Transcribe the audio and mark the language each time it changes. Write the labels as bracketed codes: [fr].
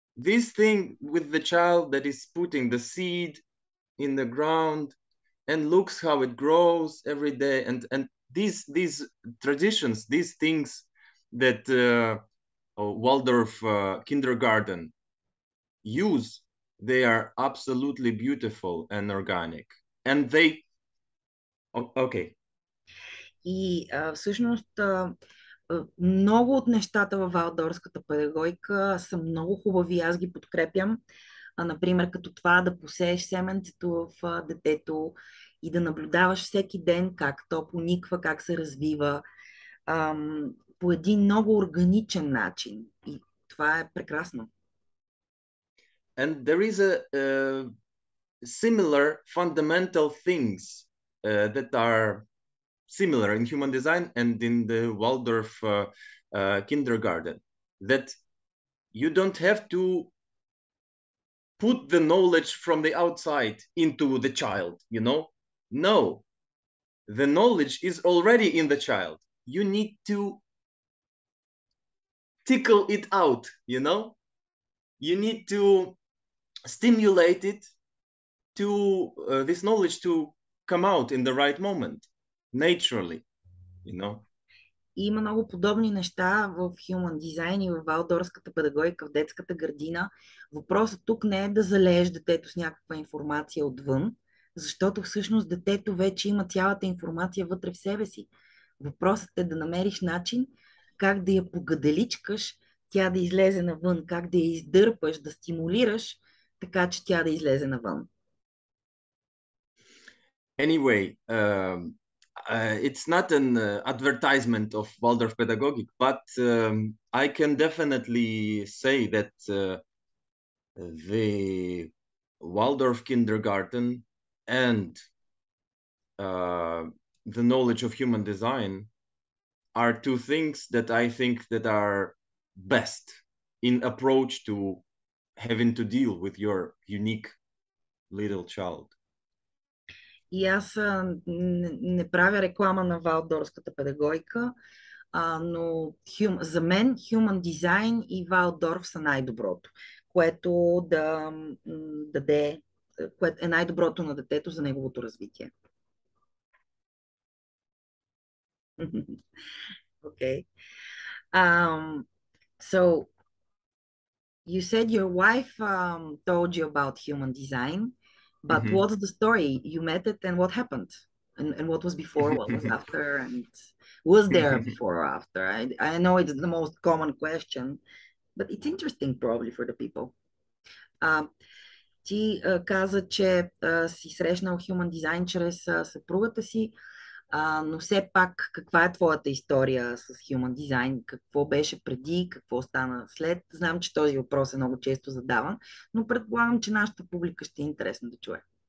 [en] This thing with the child that is putting the seed in the ground and looks how it grows every day, and these traditions, these things that Waldorf kindergarten use, they are absolutely beautiful and organic. And they... Okay. [bg] И всъщност много от нещата във валдорфската педагогика са много хубави, аз ги подкрепям. Например, като това да посееш семенцето в детето и да наблюдаваш всеки ден как то пониква, как се развива по един много органичен начин. И това е прекрасно. [en] And there is a similar fundamental things that are similar in human design and in the Waldorf kindergarten, that you don't have to put the knowledge from the outside into the child, you know? No, the knowledge is already in the child. You need to tickle it out, you know? You need to stimulate it to this knowledge to come out in the right moment, naturally, you know? [bg] Има много подобни неща в Human Design и в валдорфската педагогика, в детската градина. Въпросът тук не е да залееш детето с някаква информация отвън, защото всъщност детето вече има цялата информация вътре в себе си. Въпросът е да намериш начин как да я погаделичкаш, тя да излезе навън, как да я издърпаш, да стимулираш, така че тя да излезе навън. [en] Anyway, it's not an advertisement of Waldorf pedagogic, but I can definitely say that the Waldorf kindergarten and the knowledge of human design are two things that I think that are best in approach to having to deal with your unique little child. [bg] И аз не правя реклама на валдорфската педагогика, но за мен Human Design и Валдорф са най-доброто, което да даде, което е най-доброто на детето за неговото развитие. [en] Okay. So you said your wife told you about human design, but mm-hmm. what's the story? You met it and what happened? And what was before, what was after, and was there before or after? I know it's the most common question, but it's interesting probably for the people. [bg] Ти каза, че си срещнал human design чрез съпругата си. Но все пак, каква е твоята история с Human Design? Какво беше преди, какво стана след? Знам, че този въпрос е много често задаван, но предполагам, че нашата публика ще е интересна да чуе.